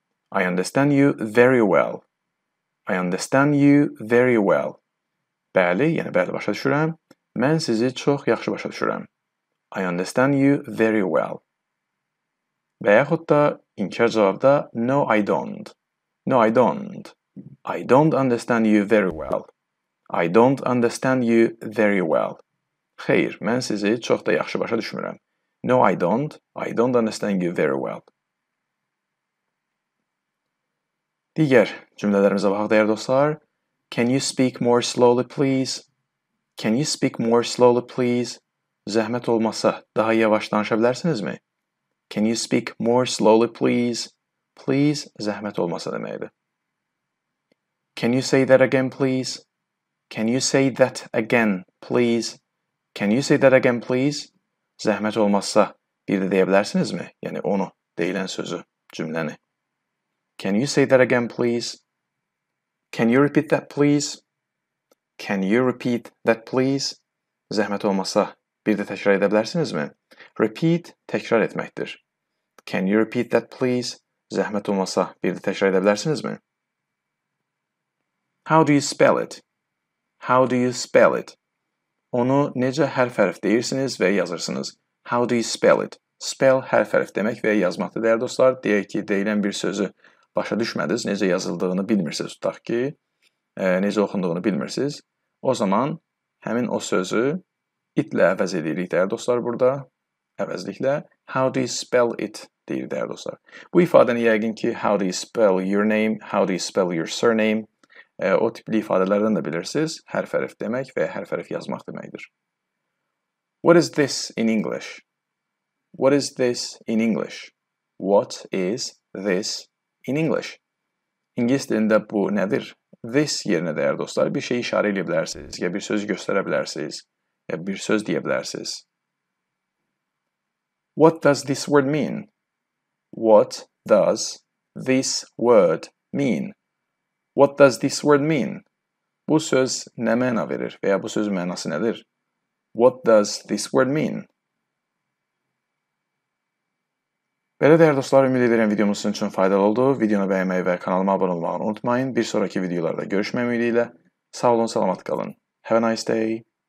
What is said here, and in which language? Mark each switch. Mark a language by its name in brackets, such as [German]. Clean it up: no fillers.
[English] I understand you very well. I understand you very well. [Azerbaijani] Bəli, yəni bəli başa düşürəm. Mən sizi çox yaxşı başa düşürəm. [English] I understand you very well. [Azerbaijani] Və yaxud da inkar cavabda, [English] no, I don't. No, I don't. I don't understand you very well. I don't understand you very well. [Azerbaijani] Xeyr, mən sizi çox da yaxşı başa düşmürəm. [English] No, I don't. I don't understand you very well. [Azerbaijani] Digər cümlələrimizə baxaq, dəyər dostlar. [English] Can you speak more slowly, please? Can you speak more slowly, please? [Azerbaijani] Zəhmət olmasa, daha yavaş danışa bilərsinizmi? [English] Can you speak more slowly, please? [Azerbaijani] Please, zəhmət olmasa deməkdir. [English] Can you say that again, please? Can you say that again, please? Can you say that again, please? [Azerbaijani] Zəhmət olmazsa, bir də deyə bilərsinizmi? Yəni, onu, deyilən sözü, cümləni. [English] Can you say that again, please? Can you repeat that, please? Can you repeat that, please? [Azerbaijani] Zəhmət olmazsa, bir də təkrar edə bilərsinizmi? Repeat, təkrar etməkdir. [English] Can you repeat that, please? [Azerbaijani] Zəhmət olmazsa, bir də təkrar edə bilərsinizmi? [English] How do you spell it? How do you spell it? [Azerbaijani] Onu necə hərf-hərf deyirsiniz və yazırsınız? [English] How do you spell it? [Azerbaijani] Spell hərf-hərf demək və yazmaqdır, dəyər dostlar. Deyək ki, deyilən bir sözü başa düşmədiniz, necə yazıldığını bilmirsiniz, tutaq ki, necə oxunduğunu bilmirsiniz. O zaman həmin o sözü itlə əvəz edirik, dəyər dostlar, burada əvəzliklə. [English] How do you spell it? [Azerbaijani] Deyir, dəyər dostlar. Bu ifadəni yəqin ki, [English] how do you spell your name? How do you spell your surname? [Azerbaijani] O tipli ifadələrdən də bilirsiniz, hərf-hərf demək və hərf-hərf yazmaq deməkdir. [English] What is this in English? What is this in English? What is this in English? [Azerbaijani] İngiliz dilində bu nədir? This yerinə dəyər dostlar, bir şey işarə edə bilərsiniz, ya bir söz göstərə bilərsiniz, ya bir söz deyə bilərsiniz. [English] What does this word mean? What does this word mean? What does this word mean? [Azerbaijani] Bu söz nə məna verir və ya bu sözün mənası nədir? [English] What does this word mean? [Azerbaijani] Belə dəyər dostlar, ümid edirəm videomuz sizin üçün faydalı oldu. Videonu bəyənməyi və kanalıma abunə olmağı unutmayın. Bir sonraki videolarda görüşmək ümidi ilə. Sağ olun, salamat qalın. [English] Have a nice day.